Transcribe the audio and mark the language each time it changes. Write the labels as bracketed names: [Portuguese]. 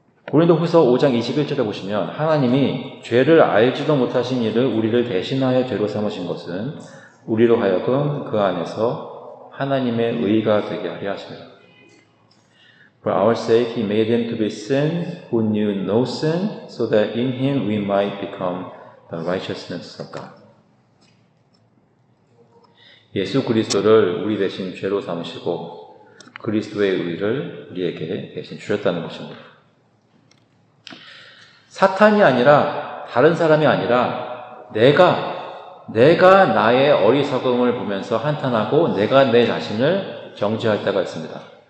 [Korean] 고린도후서 5장 21절에 보시면 하나님이 죄를 알지도 못하신 이를 우리를 대신하여 죄로 삼으신 것은 우리로 하여금 그 안에서 하나님의 의가 되게 하려 하십니다. [English] For our sake he made him to be sin who knew no sin so that in him we might become the righteousness of God. [Korean] 예수 그리스도를 우리 대신 죄로 삼으시고 그리스도의 의를 우리에게 대신 주셨다는 것입니다. 사탄이 아니라 다른 사람이 아니라 내가 나의 어리석음을 보면서 한탄하고 내가 내 자신을 정죄할 때가 있습니다.